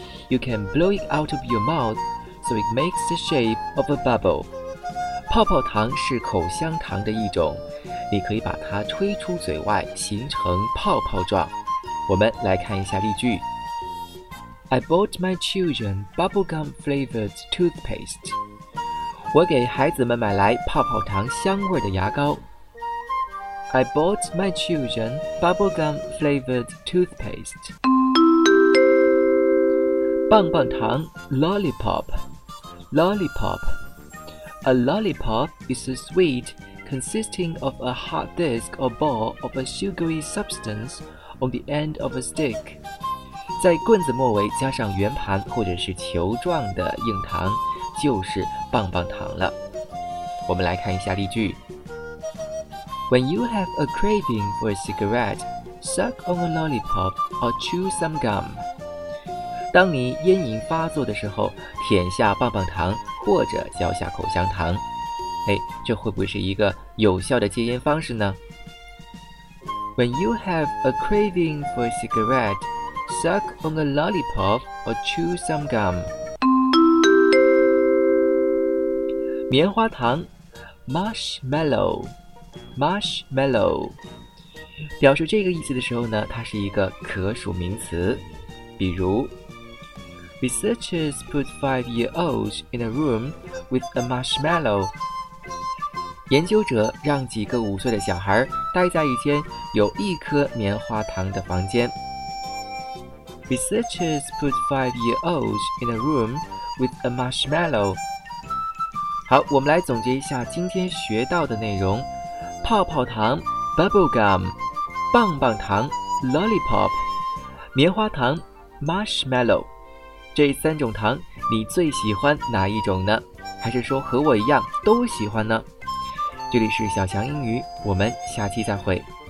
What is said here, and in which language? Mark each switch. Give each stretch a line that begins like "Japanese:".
English: You can blow it out of your mouth so it makes the shape of a bubble.
Chinese: 泡泡糖是口香糖的一种，你可以把它吹出嘴外形成泡泡状。我们来看一下例句。
English: I bought my children bubblegum flavored toothpaste.
Chinese: 我给孩子们买来泡泡糖香味的牙膏。
English: I bought my children bubblegum flavored toothpaste. 棒棒糖 lollipop lollipop. A lollipop is a sweetconsisting of a hard disk or ball of a sugary substance on the end of a stick.
Chinese: 在棍子末尾加上圆盘或者是球状的硬糖，就是棒棒糖了。我们来看一下例句。
English: When you have a craving for a cigarette, suck on a lollipop or chew some gum.
Chinese: 当你烟瘾发作的时候，舔下棒棒糖或者嚼下口香糖。哎，这会不会是一个有效的戒烟方式呢？
English: When you have a craving for a cigarette, suck on a lollipop or chew some gum.
Chinese: 棉花糖 marshmallow marshmallow 表示这个意思的时候呢，它是一个可数名词。比如
English: Researchers put 5-year-olds in a room with a marshmallow.
Chinese: 研究者让几个5岁的小孩待在一间有一颗棉花糖的房间。
English: Researchers put 5-year-olds in a room with a marshmallow.
Chinese: 好，我们来总结一下今天学到的内容。泡泡糖 bubblegum， 棒棒糖 lollipop， 棉花糖 marshmallow。这三种糖你最喜欢哪一种呢？还是说和我一样都喜欢呢？这里是小强英语，我们下期再会。